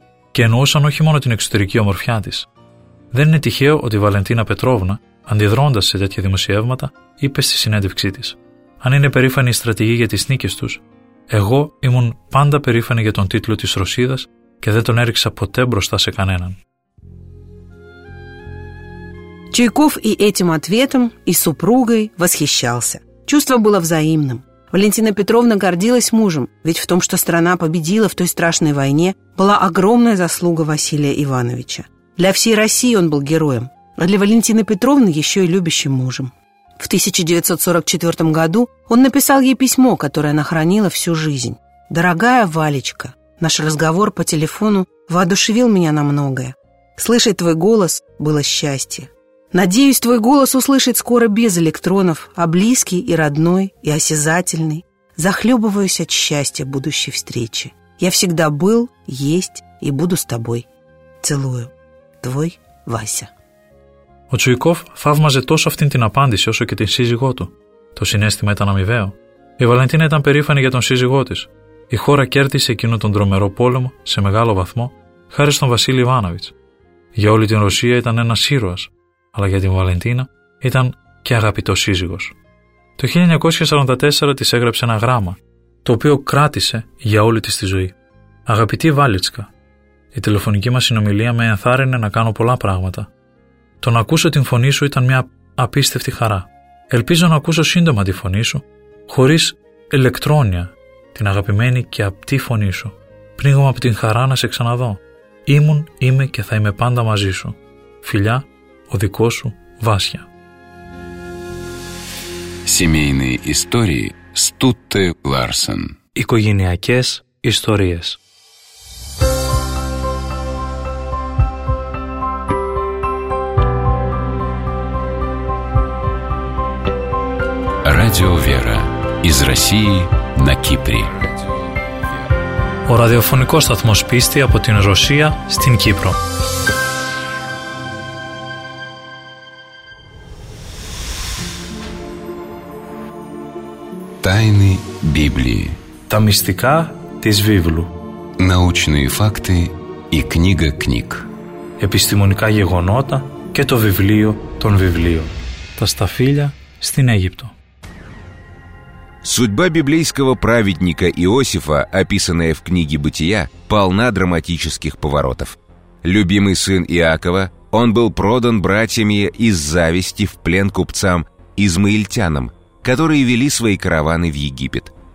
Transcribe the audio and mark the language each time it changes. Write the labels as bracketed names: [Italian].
[Greek] Και εννοούσαν όχι μόνο την εξωτερική ομορφιά της. Δεν είναι τυχαίο ότι η Βαλεντίνα Πετρόβνα, αντιδρώντας σε τέτοια δημοσιεύματα, είπε στη συνέντευξή της: «Αν είναι περήφανοι οι στρατηγοί για τις νίκες τους, εγώ ήμουν πάντα περήφανη για τον τίτλο της Ρωσίδας και δεν τον έριξα ποτέ μπροστά σε κανέναν». [Russian] Чуйков и этим ответом, и супругой восхищался. Чувство было взаимным. Валентина Петровна гордилась мужем, ведь в том, что страна победила в той страшной войне, была огромная заслуга Василия Ивановича. Для всей России он был героем, а для Валентины Петровны еще и любящим мужем. В 1944 году он написал ей письмо, которое она хранила всю жизнь. «Дорогая Валечка, наш разговор по телефону воодушевил меня на многое. Слышать твой голос было счастье. Надеюсь, твой голос услышать скоро без электронов, а близкий и родной, и осязательный. Захлебываюсь от счастья будущей встречи. Я всегда был, есть и буду с тобой. Целую. Твой Вася». [Greek] Ο Τσουϊκόφ θαύμαζε τόσο αυτήν την απάντηση, όσο και την σύζυγό του. Το συνέστημα ήταν αμοιβαίο. Η Βαλεντίνα ήταν περήφανη για τον σύζυγό της. Η χώρα κέρδισε εκείνο τον τρομερό πόλεμο σε μεγάλο βαθμό χάρη στον Βασίλη Ιβάνοβιτς. Για όλη την Ρωσία ήταν ένας ήρωας, αλλά για την Βαλεντίνα ήταν και αγαπητός σύζυγος. Το 1944 της έγραψε ένα γράμμα, το οποίο κράτησε για όλη της τη ζωή. «Αγαπητή Βάλιτσκα, η τηλεφωνική μας συνομιλία με ενθάρρυνε να κάνω πολλά πράγματα. Το να ακούσω την φωνή σου ήταν μια απίστευτη χαρά. Ελπίζω να ακούσω σύντομα τη φωνή σου, χωρίς ηλεκτρόνια, την αγαπημένη και απτή φωνή σου. Πνίγω από την χαρά να σε ξαναδώ. Ήμουν, είμαι και θα είμαι πάντα μαζί σου. Φιλιά, ο δικός σου Βάσια». [Russian] Семейные истории Стутте Ларсен. [Greek] Οικογενειακές ιστορίες. [Russian] Радио Вера из России на Кипре. [Greek] Ο ραδιοφωνικός σταθμός πίστη από την Ρωσία στην Κύπρο. [Russian] Тайны Библии. [Greek] Та мистика тис Библу. [Russian] Научные факты и книга книг. [Greek] Эпистемонικά γεγονότα και το βιβλίο των βιβλίων. Τα σταφύλια στην Αίγυπτο. [Russian] Судьба библейского праведника Иосифа, описанная в книге Бытия, полна драматических поворотов. Любимый сын Иакова, он был продан братьями из зависти в плен купцам измаильтянам, которые вели свои караваны в Египет.